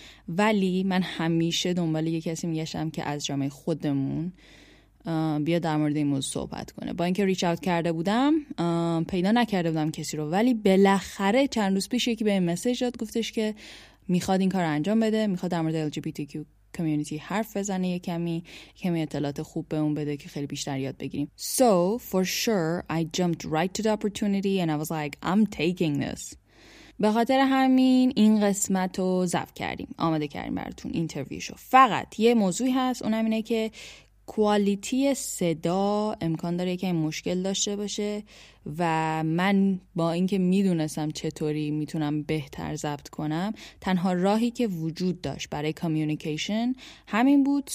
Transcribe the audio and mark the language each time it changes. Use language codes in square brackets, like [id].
[fa] ولی من همیشه دنبال یک کسی میگشتم که از جامعه خودمون بیا در مورد این موضوع صحبت کنه. با اینکه ریچ اوت کرده بودم پیدا نکرده بودم کسی رو، ولی بالاخره چند روز پیش یکی به این مسیج داد، گفتش که میخواد این کار رو انجام بده، میخواد در مورد LGBTQ کمیونیتی حرف بزنه، یکمی اطلاعات خوب به اون بده که خیلی بیشتر یاد بگیریم. [en] So for sure I jumped right to the opportunity and I was like I'm taking this. [fa] به خاطر همین این قسمت رو ضبط کردیم، آماده کردیم براتون اینترویوشو. فقط یه موضوعی هست، اونم اینه که کوالیتی صدا امکان داره یکم مشکل داشته باشه و من با اینکه میدونستم چطوری میتونم بهتر ضبط کنم، تنها راهی که وجود داشت برای کامیونیکیشن همین بود.